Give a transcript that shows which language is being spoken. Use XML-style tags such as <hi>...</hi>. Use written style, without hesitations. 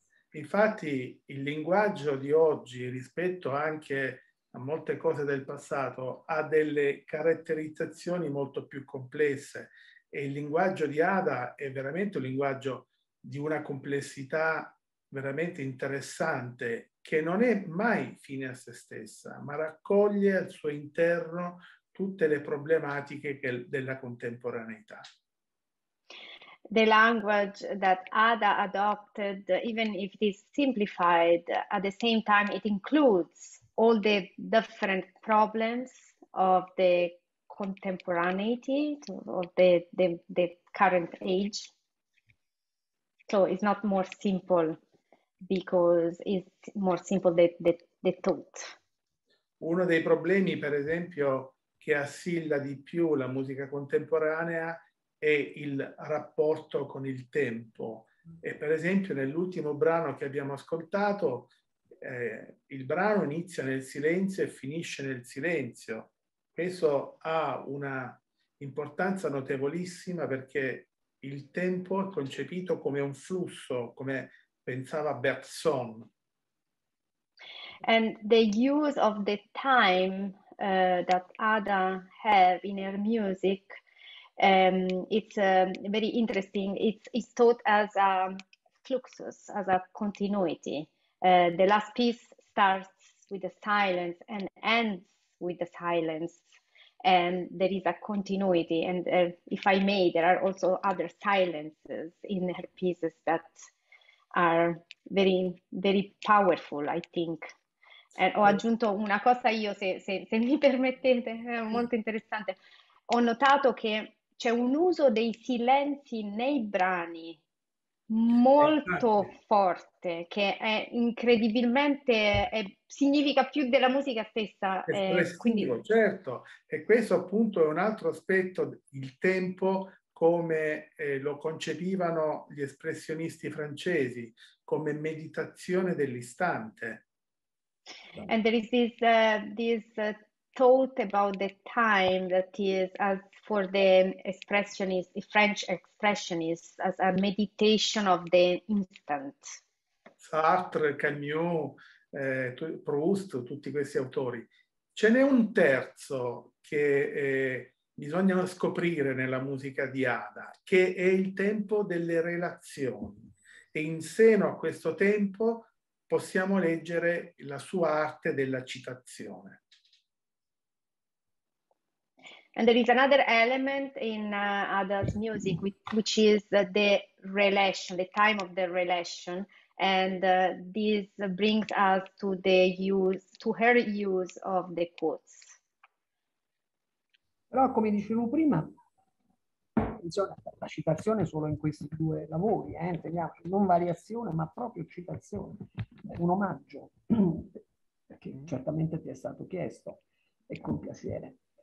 <it>Infatti, il linguaggio di oggi rispetto anche a molte cose del passato ha delle caratterizzazioni molto più complesse e il linguaggio di Ada è veramente un linguaggio di una complessità veramente interessante che non è mai fine a se stessa, ma raccoglie al suo interno tutte le problematiche della contemporaneità.</it> <en>The language that Ada adopted, even if it is simplified, at the same time it includes all the different problems of the contemporaneity, of the current age. So it's not more simple because it's more simple the thought.</en> <it>Uno dei problemi, per esempio, che assilla di più la musica contemporanea è il rapporto con il tempo. E per esempio nell'ultimo brano che abbiamo ascoltato, il brano inizia nel silenzio e finisce nel silenzio. Questo ha una importanza notevolissima perché il tempo è concepito come un flusso, come pensava Bergson.</it> <en>And the use of the time that Ada have in her music, it's very interesting. It's thought as a fluxus, as a continuity. The last piece starts with the silence and ends with the silence, and there is a continuity. And if I may, there are also other silences in her pieces that are very, very powerful, I think.</en> <it>Ho aggiunto una cosa io, se mi permettete, molto interessante. Ho notato che c'è un uso dei silenzi nei brani molto forte, che è incredibilmente, significa più della musica stessa. Quindi... Certo, e questo appunto è un altro aspetto, il tempo come lo concepivano gli espressionisti francesi, come meditazione dell'istante.</it> <en>And there is this thought about the time that is as for the expressionist, the French expressionist, as a meditation of the instant.</en> <it>Sartre, Camus, Proust, tutti questi autori. Ce n'è un terzo che bisogna scoprire nella musica di Ada, che è il tempo delle relazioni. E in seno a questo tempo possiamo leggere la sua arte della citazione.</it> <en>And there is another element in Ada's music, which is the relation, the time of the relation, and this brings us to the use, to her use of the quotes.</en> <it>Però, come dicevo prima, attenzione, la citazione solo in questi due lavori, teniamo, non variazione, ma proprio citazione. Un omaggio che certamente ti è stato chiesto e con piacere.</it>